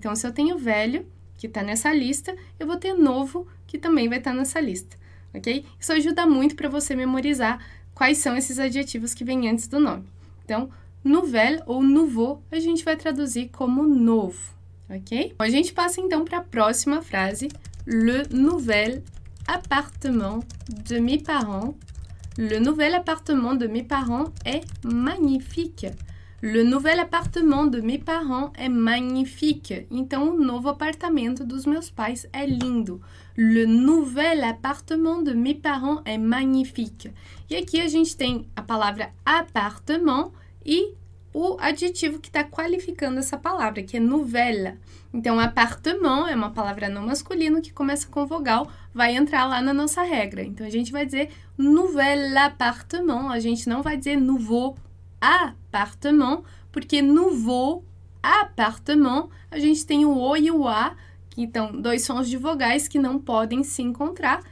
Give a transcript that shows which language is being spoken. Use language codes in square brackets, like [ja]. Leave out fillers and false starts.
[pt] Então, se eu tenho velho, que está nessa lista, eu vou ter novo, que também vai estar nessa lista, ok? Isso ajuda muito para você memorizar quais são esses adjetivos que vêm antes do nome. Então, nouvel ou nouveau, a gente vai traduzir como novo. Ok? A gente passa então para a próxima frase. [fr] Le nouvel appartement de mes parents. Le nouvel appartement de mes parents est magnifique. Le nouvel appartement de mes parents est magnifique. [pt] Então, o novo apartamento dos meus pais é lindo. [fr] Le nouvel appartement de mes parents est magnifique. [pt] E aqui a gente tem a palavra appartement e o adjetivo que está qualificando essa palavra, que é nouvelle. Então, appartement é uma palavra não masculina que começa com vogal, vai entrar lá na nossa regra. Então, a gente vai dizer nouvel appartement, a gente não vai dizer nouveau appartement, porque nouveau appartement, a gente tem o O e o A, que estão dois sons de vogais que não podem se encontrar.